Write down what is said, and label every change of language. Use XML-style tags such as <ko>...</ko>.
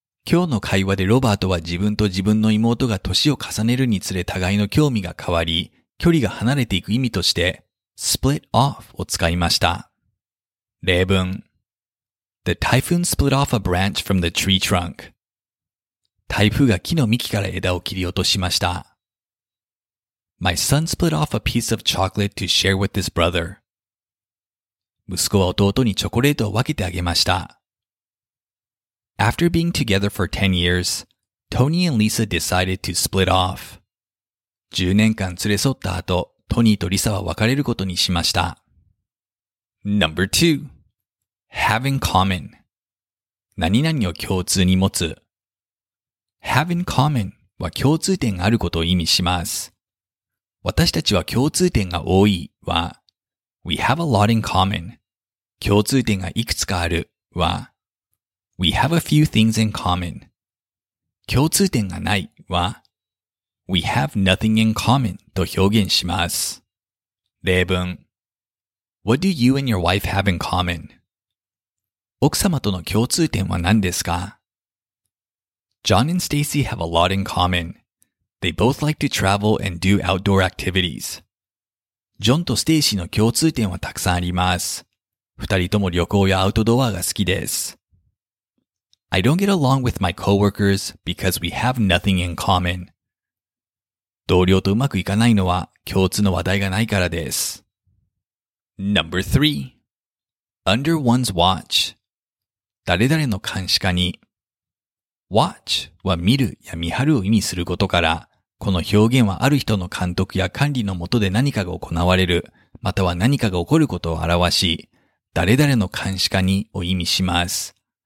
<ja>今日の会話でロバートは自分と自分の妹が年を重ねるにつれ互いの興味が変わり、距離が離れていく意味として、split off を使いました。</ja> <en>例文 The typhoon split off a branch from the tree trunk.</en> <ja>台風が木の幹から枝を切り落としました。</ja> <en>My son split off a piece of chocolate to share with his brother.</en> <ja>息子は弟にチョコレートを分けてあげました。</ja> <en>After being together for 10 years, Tony and Lisa decided to split off.</en> <ja>10年間連れ添った後、トニーとリサは別れることにしました。</ja> <en>Number 2. Have in common.</en> <ja>何々を共通に持つ。 Have in common は共通点があることを意味します。私たちは共通点が多いは、</ja> <en>We have a lot in common.</en> <ja>共通点がいくつかあるは、</ja> <en>We have a few things in common.</en> <ja>共通点がないは</ja> <en>We have nothing in common</en> <ja>と表現します。</ja> <en>例文 What do you and your wife have in common?</en> <ja>奥様との共通点は何ですか?</ja> <en>John and Stacy have a lot in common. They both like to travel and do outdoor activities.</en> <ja>ジョンとステイシーの共通点はたくさんあります。二人とも旅行やアウトドアが好きです。</ja> <en>I don't get along with my coworkers because we have nothing in common.</en> <ja>同僚とうまくいかないのは共通の話題がないからです。</ja> <en>Number 3. Under one's watch.</en> <ja>誰々の監視下に。 Watch は見るや見張るを意味することから、この表現はある人の監督や管理のもとで何かが行われる、または何かが起こることを表し、誰々の監視下にを意味します。</ja>